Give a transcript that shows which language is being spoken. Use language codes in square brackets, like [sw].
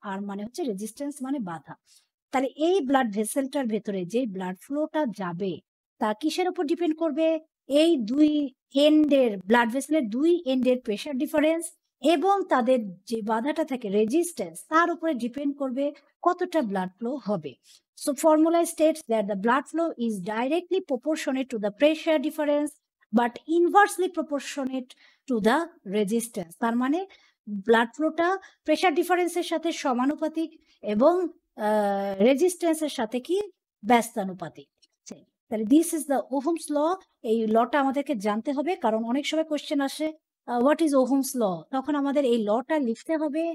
[bn] আর মানে হচ্ছে রেজিস্ট্যান্স, মানে বাধা। তাহলে এই ব্লাড ভেসেলটার ভেতরে যে ব্লাড ফ্লোটা যাবে, তা কিসের উপর ডিপেন্ড করবে? এই দুই এন্ডের, ব্লাড ভেসেলের দুই এন্ডের প্রেশার ডিফারেন্স এবং তাদের যে বাধাটা থাকে রেজিস্ট্যান্স, তার উপরে ডিপেন্ড করবে কতটা ব্লাড ফ্লো হবে। [en] So formula states that the blood flow is directly proportionate to the pressure difference but inversely proportionate to the resistance. [bn] তার মানে blood flowটা pressure difference এর সাথে সমানুপাতিক এবং resistance এর সাথে কি ব্যস্তানুপাতিক। তাহলে [en] this is the Ohm's law, [bn] এই লটা আমাদেরকে জানতে হবে, কারণ অনেক সময় কোয়েশ্চেন আসে [en] what is Ohm's law, [bn] তখন আমাদের এই লটা লিখতে হবে।